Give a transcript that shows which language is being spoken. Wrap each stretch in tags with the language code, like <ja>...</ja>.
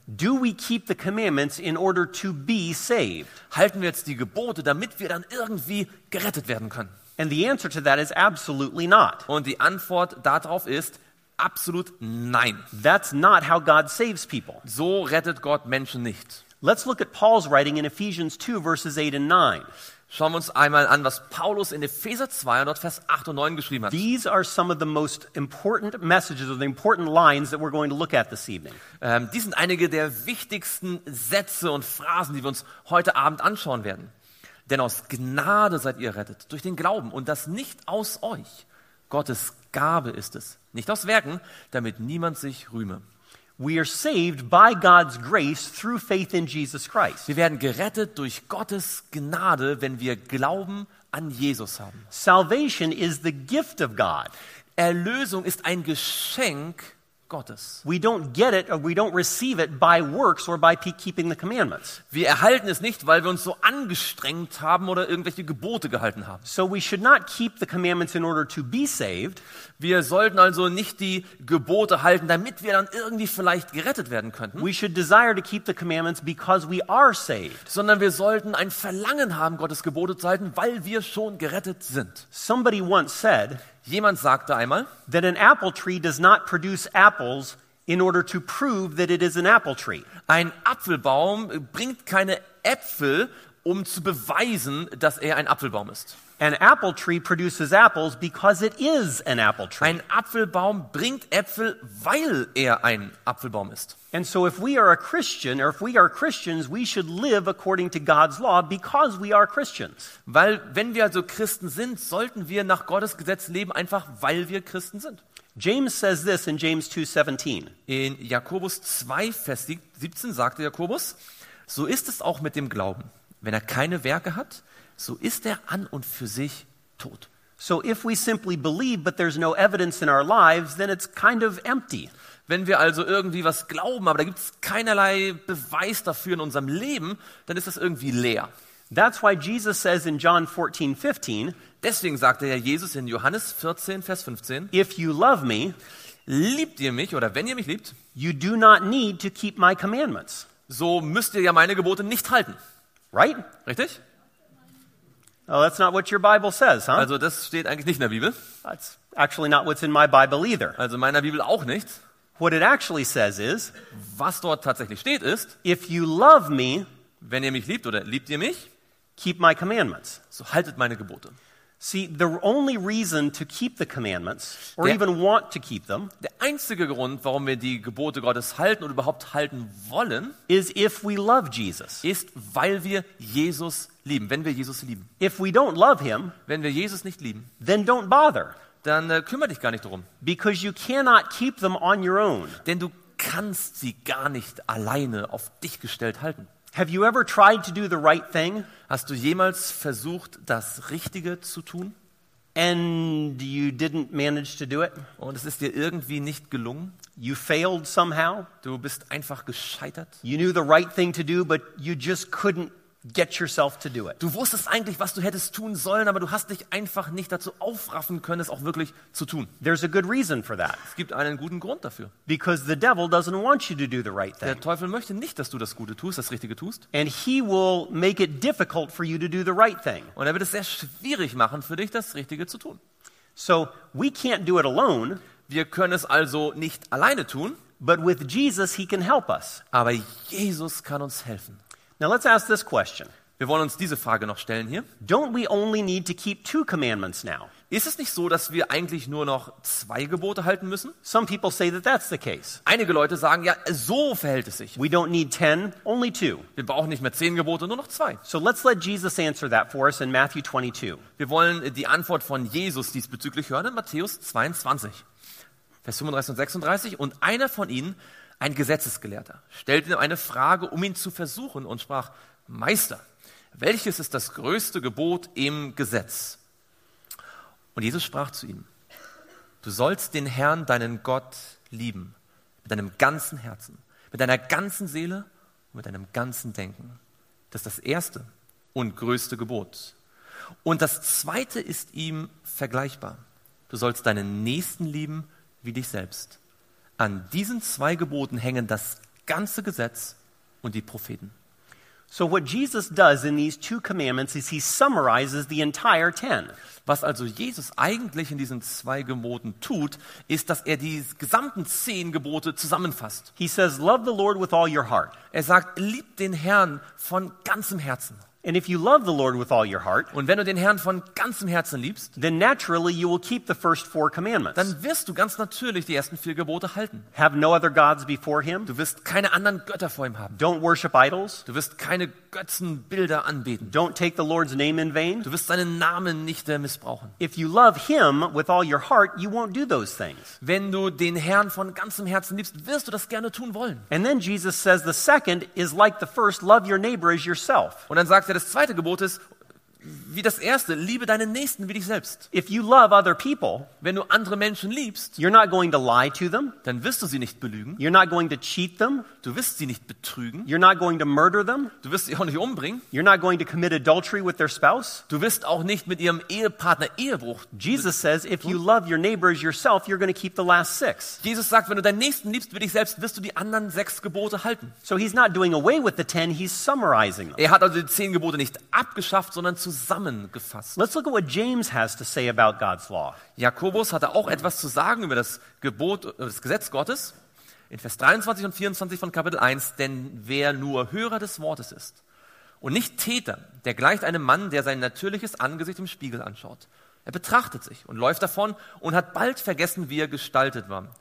<en>Do we keep the commandments in order to be saved?</en> <de>Halten wir jetzt die Gebote, damit wir dann irgendwie gerettet werden können?</de> <en>And the answer to that is absolutely not.</en> <de>Und die Antwort darauf ist absolut nein.</de> <en>That's not how God saves people.</en> <de>So rettet Gott Menschen nicht.</de> <en>Let's look at Paul's writing in Ephesians 2 verses 8 and 9.</en> <de>Schauen wir uns einmal an, was Paulus in Epheser 2 und dort Vers 8 und 9 geschrieben hat.</de> <en>These are some of the most important messages or the important lines that we're going to look at this evening.</en> <de>Dies sind einige der wichtigsten Sätze und Phrasen, die wir uns heute Abend anschauen werden. Denn aus Gnade seid ihr rettet, durch den Glauben, und das nicht aus euch. Gottes Gabe ist es, nicht aus Werken, damit niemand sich rühme.</de> <en>We are saved by God's grace through faith in Jesus Christ.</en> <de>Wir werden gerettet durch Gottes Gnade, wenn wir Glauben an Jesus haben.</de> <en>Salvation is the gift of God.</en> <de>Erlösung ist ein Geschenk Gottes.</de> <en>We don't get it or we don't receive it by works or by keeping the commandments.</en> <de>Wir erhalten es nicht, weil wir uns so angestrengt haben oder irgendwelche Gebote gehalten haben.</de> <en>So we should not keep the commandments in order to be saved.</en> <de>Wir sollten also nicht die Gebote halten, damit wir dann irgendwie vielleicht gerettet werden könnten.</de> <en>We should desire to keep the commandments because we are saved.</en> <de>Sondern wir sollten ein Verlangen haben, Gottes Gebote zu halten, weil wir schon gerettet sind.</de> <en>Somebody once said,</en> <de>jemand sagte einmal,</de> <en>that an apple tree does not produce apples in order to prove that it is an apple tree.</en> <de>Ein Apfelbaum bringt keine Äpfel, um zu beweisen, dass er ein Apfelbaum ist.</de> <en>An apple tree produces apples because it is an apple tree.</en> <de>Ein Apfelbaum bringt Äpfel, weil er ein Apfelbaum ist.</de> <en>And so if we are a Christian or if we are Christians, we should live according to God's law because we are Christians.</en> <de>Weil wenn wir also Christen sind, sollten wir nach Gottes Gesetz leben, einfach weil wir Christen sind.</de> <en>James says this in James 2:17.</en> <de>In Jakobus 2 Vers 17 sagte Jakobus, so ist es auch mit dem Glauben. Wenn er keine Werke hat, so ist er an und für sich tot.</de> <en>So if we simply believe but there's no evidence in our lives, then it's kind of empty.</en> <de>Wenn wir also irgendwie was glauben, aber da gibt's keinerlei Beweis dafür in unserem Leben, dann ist das irgendwie leer.</de> <en>That's why Jesus says in John 14:15,</en> <de>deswegen sagte ja Jesus in Johannes 14 Vers 15,</de> <en>if you love me,</en> <de>liebt ihr mich oder wenn ihr mich liebt,</de> <en>you do not need to keep my commandments.</en> <de>So müsst ihr ja meine Gebote nicht halten.</de> <en>Right?</en> <de>Richtig?</de> <en>Oh, that's not what your Bible says, huh?</en> <de>Also, das steht eigentlich nicht in der Bibel.</de> <en>That's actually not what's in my Bible either.</en> <de>Also, in meiner Bibel auch nicht.</de> <en>What it actually says is,</en> <de>was dort tatsächlich steht ist,</de> <en>if you love me,</en> <de>wenn ihr mich liebt oder liebt ihr mich,</de> <en>keep my commandments.</en> <de>So haltet meine Gebote.</de> <en>See, the only reason to keep the commandments or even want to keep them,</en> <de>der einzige Grund, warum wir die Gebote Gottes halten oder überhaupt halten wollen,</de> <en>is if we love Jesus.</en> <de>Ist, weil wir Jesus lieben, wenn wir Jesus lieben.</de> <en>If we don't love him,</en> <de>wenn wir Jesus nicht lieben,</de> <en>then don't bother.</en> <de>Dann kümmere dich gar nicht darum.</de> <en>Because you cannot keep them on your own.</en> <de>Denn du kannst sie gar nicht alleine auf dich gestellt halten.</de> <en>Have you ever tried to do the right thing?</en> <de>Hast du jemals versucht, das Richtige zu tun?</de> <en>And you didn't manage to do it?</en> <de>Und es ist dir irgendwie nicht gelungen?</de> <en>You failed somehow?</en> <de>Du bist einfach gescheitert?</de> <en>You knew the right thing to do, but you just couldn't get yourself to do it.</en> <de>Du wusstest eigentlich, was du hättest tun sollen, aber du hast dich einfach nicht dazu aufraffen können, es auch wirklich zu tun.</de> <en>There's a good reason for that.</en> <de>Es gibt einen guten Grund dafür.</de> <en>Because the devil doesn't want you to do the right thing.</en> <de>Der Teufel möchte nicht, dass du das Gute tust, das Richtige tust.</de> <en>And he will make it difficult for you to do the right thing.</en> <de>Und er wird es sehr schwierig machen für dich, das Richtige zu tun.</de> <en>So we can't do it alone.</en> <de>Wir können es also nicht alleine tun.</de> <en>But with Jesus he can help us.</en> <de>Aber Jesus kann uns helfen.</de> <en>Now let's ask this question.</en> <de>Wir wollen uns diese Frage noch stellen hier.</de> <en>Don't we only need to keep two commandments now?</en> <de>Ist es nicht so, dass wir eigentlich nur noch zwei Gebote halten müssen?</de> <en>Some people say that that's the case.</en> <de>Einige Leute sagen, ja, so verhält es sich.</de> <en>We don't need 10, only 2.</en> <de>Wir brauchen nicht mehr 10 Gebote, nur noch 2.</de> <en>So let's let Jesus answer that for us in Matthew 22.</en> <de>Wir wollen die Antwort von Jesus diesbezüglich hören in Matthäus 22. Vers 35 und 36. Und einer von ihnen, ein Gesetzesgelehrter, stellte ihm eine Frage, um ihn zu versuchen, und sprach, Meister, welches ist das größte Gebot im Gesetz? Und Jesus sprach zu ihm, du sollst den Herrn, deinen Gott, lieben, mit deinem ganzen Herzen, mit deiner ganzen Seele mit deinem ganzen Denken. Das ist das erste und größte Gebot. Und das zweite ist ihm vergleichbar. Du sollst deinen Nächsten lieben wie dich selbst. An diesen zwei Geboten hängen das ganze Gesetz und die Propheten.</de> <en>So what Jesus does in these two commandments is he summarizes the entire ten.</en> <de>Was also Jesus eigentlich in diesen zwei Geboten tut, ist, dass er die gesamten 10 Gebote zusammenfasst.</de> <en>He says, love the Lord with all your heart.</en> <de>Er sagt, lieb den Herrn von ganzem Herzen.</de> <en>And if you love the Lord with all your heart,</en> <de>und wenn du den Herrn von ganzem Herzen liebst,</de> <en>then naturally you will keep the first 4 commandments.</en> <de>Dann wirst du ganz natürlich die ersten 4 Gebote halten.</de> <en>Have no other gods before him.</en> <de>Du wirst keine anderen Götter vor ihm haben.</de> <en>Don't worship idols.</en> <de>Du wirst keine Götzenbilder anbeten.</de> <en>Don't take the Lord's name in vain.</en> <de>Du wirst seinen Namen nicht missbrauchen.</de> <en>If you love him with all your heart, you won't do those things.</en> <de>Wenn du den Herrn von ganzem Herzen liebst, wirst du das gerne tun wollen.</de> <en>And then Jesus says the second is like the first, love your neighbor as yourself.</en> <de>Und dann sagt er, das zweite Gebot ist wie das erste, liebe deinen Nächsten wie dich selbst.</de> <en>If you love other people,</en> <de>wenn du andere Menschen liebst,</de> <en>you're not going to lie to them,</en> <de>dann wirst du sie nicht belügen.</de> <en>You're not going to cheat them,</en> <de>du wirst sie nicht betrügen.</de> <en>You're not going to murder them,</en> <de>du wirst sie auch nicht umbringen.</de> <en>You're not going to commit adultery with their spouse,</en> <de>du wirst auch nicht mit ihrem Ehepartner Ehebruch.</de> <en>Jesus says, if you love your neighbor as yourself, you're going to keep the last 6.</en> <de>Jesus sagt, wenn du deinen Nächsten liebst wie dich selbst, wirst du die anderen 6 Gebote halten.</de> <en>So he's not doing away with the 10, he's summarizing them.</en> <de>Er hat also die 10 Gebote nicht abgeschafft, sondern zusammengefasst.</de> <en>Let's look at what James has to say about God's law.</en> <de>Jakobus hatte auch etwas zu sagen über das Gebot, das Gesetz Gottes in Vers 23 und 24 von Kapitel 1, denn wer nur Hörer des Wortes ist und nicht Täter, der gleicht einem Mann, der sein natürliches Angesicht im Spiegel anschaut. Er betrachtet sich und läuft davon und hat bald vergessen, wie er gestaltet war.</de>